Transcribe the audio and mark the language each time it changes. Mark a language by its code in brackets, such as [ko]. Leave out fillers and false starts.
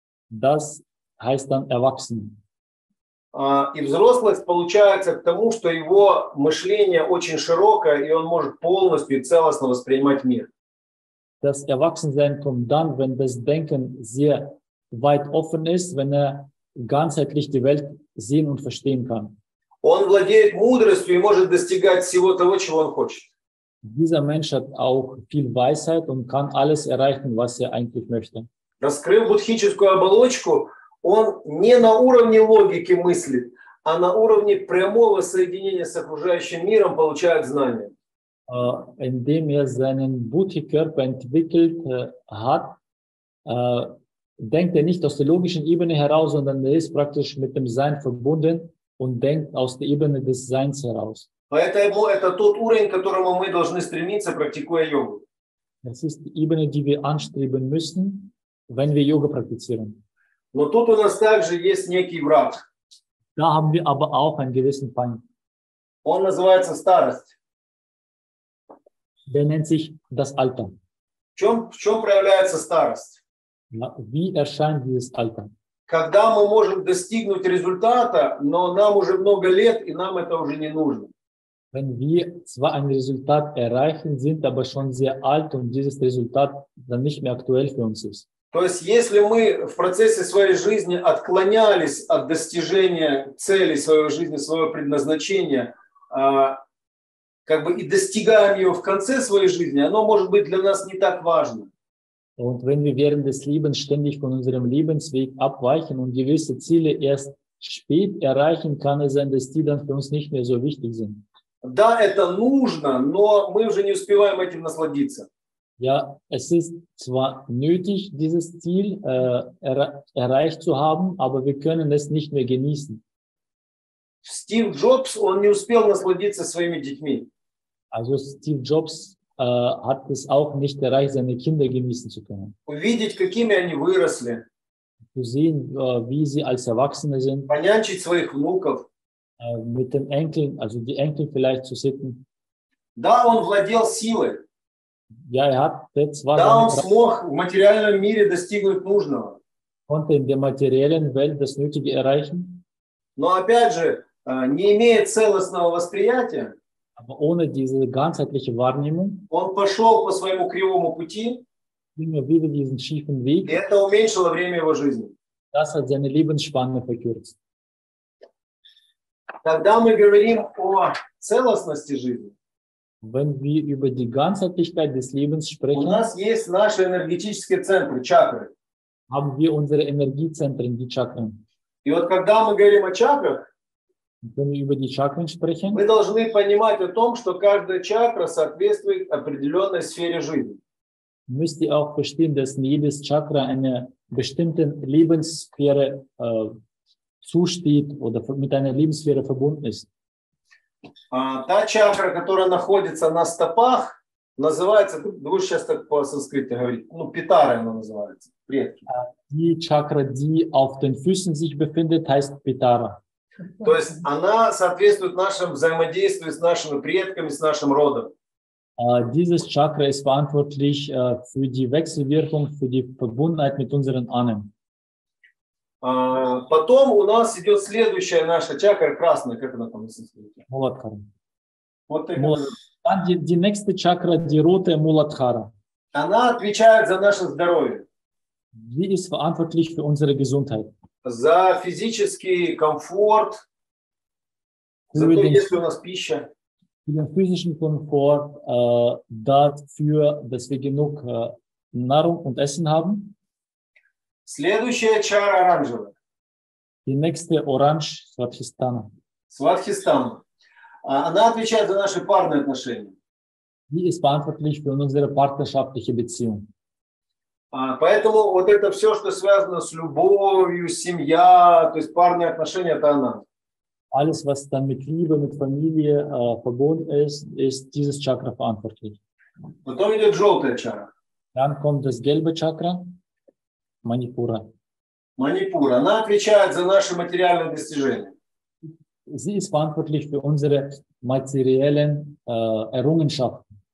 [de] Das heißt dann erwachsen. [ru] И взрослость получается к тому, что его мышление очень широкое, и он может полностью и целостно воспринимать мир. [de] Das Erwachsensein kommt dann, wenn das Denken sehr weit offen ist, wenn er ganzheitlich die Welt sehen und verstehen kann. [ru] Он владеет мудростью и может достигать всего того, чего он хочет. [de] Dieser Mensch hat auch viel Weisheit und kann alles erreichen, was er eigentlich möchte. [ru] Раскрыв буддхическую оболочку, он не на уровне логики мыслит, а на уровне прямого соединения с окружающим миром получает знания. [de] Indem er seinen Buddhi-Körper entwickelt hat, denkt er nicht aus der logischen Ebene heraus, sondern er ist praktisch mit dem Sein verbunden und denkt aus der Ebene des Seins heraus. [ru] Поэтому это тот уровень, к которому мы должны стремиться, практикуя йогу. [de] Das ist die Ebene, die wir anstreben müssen, wenn wir Yoga praktizieren. [ru] Но тут у нас также есть некий враг. [de] Da haben wir aber auch einen gewissen Feind. [ru] Он называется старость. [de] Der nennt sich das Alter. [ru] В чем проявляется старость? [de] Wie erscheint dieses Alter? [ru] Когда мы можем достигнуть результата, но нам уже много лет, и нам это уже не нужно. [de] Wenn wir zwar einen Resultat erreichen, sind aber schon sehr alt und dieses Resultat dann nicht mehr aktuell für uns ist. [ru] То есть, если мы в процессе своей жизни отклонялись от достижения цели своей жизни, своего предназначения, как бы и достигаем его в конце своей жизни, оно может быть для нас не так важно. [de] Und wenn wir während des Lebens ständig von unserem Lebensweg abweichen und gewisse Ziele erst spät erreichen, kann es sein, dass die dann für uns nicht mehr so wichtig sind. [ru] Да, это нужно, но мы уже не успеваем этим насладиться. [de] Ja, es ist zwar nötig, dieses Ziel erreicht zu haben, aber wir können es nicht mehr genießen. [ru] Steve Jobs, он не успел насладиться своими детьми. [de] Also Steve Jobs hat es auch nicht erreicht, seine Kinder genießen zu können. [ru] Увидеть, какими они выросли. [de] Zu sehen, wie sie als Erwachsene sind. [ru] Понянчить своих внуков. [de] Mit den Enkeln, also die Enkel vielleicht zu sitten. [ru] Да, он владел силой. [de] Ja, er hat zwar [ru] да, он смог в материальном мире достигнуть нужного. [de] Konnte in der materiellen Welt das Nötige erreichen. [ru] Но опять же, не имея целостного восприятия, [de] aber ohne diese ganzheitliche Wahrnehmung, [ru] он пошел по своему кривому пути, [de] wieder diesen schiefen Weg, [ru] и это уменьшило время его жизни. [de] Das hat seine Lebensspanne verkürzt. [ru] Когда мы говорим о целостности жизни, [de] wenn wir über die Ganzheitlichkeit des Lebens sprechen, [ru] у нас есть наши энергетические центры, чакры. [de] Haben wir unsere Energiezentren, die Chakren. [ru] И вот когда мы говорим о чакрах, [de] wenn wir über die Chakren sprechen, [ru] мы должны понимать о том, что каждая чакра соответствует определенной сфере жизни. [de] Müsst ihr auch verstehen, dass jedes Chakra einer bestimmten Lebenssphäre zusteht oder mit einer Lebenssphäre verbunden ist. [ru] Та чакра, которая находится на стопах, называется, будешь сейчас так по санскрите говорить, ну, питара она называется, предки. [de] Die Chakra, die auf den Füßen sich befindet, heißt Pitara. [ru] То есть она соответствует нашему взаимодействию с нашими предками, с нашим родом. [de] Dieses Chakra ist verantwortlich für die Wechselwirkung, für die Verbundenheit mit unseren Ahnen. [ru] Потом у нас идет следующая наша чакра красная, как она там называется? Муладхара. Вот это. [de] Die nächste Chakra, die rote Muladhara. [ru] Она отвечает за наше здоровье. [de] Sie ist verantwortlich für unsere Gesundheit. [ru] За физический комфорт. За то, есть ли у нас пища. [de] Für den physischen Komfort, dafür, dass wir genug Nahrung und Essen haben. [ru] Следующая чара оранжевая. [de] Die nächste Orange, Svadhisthana. Svadhisthana. [ru] Она отвечает за наши парные отношения. [de] Die ist verantwortlich für unsere partnerschaftliche Beziehung. [ru] Поэтому вот это все, что связано с любовью, семья, то есть парные отношения, это она. [de] Alles, was dann mit Liebe, mit Familie verbunden ist, ist dieses Chakra verantwortlich. [ru] Потом идет желтая чара. [de] Dann kommt das gelbe Chakra. Manipura. Manipura. [ru] Она отвечает за наши материальные достижения. [de] Sie ist verantwortlich für unsere materiellen Errungenschaften.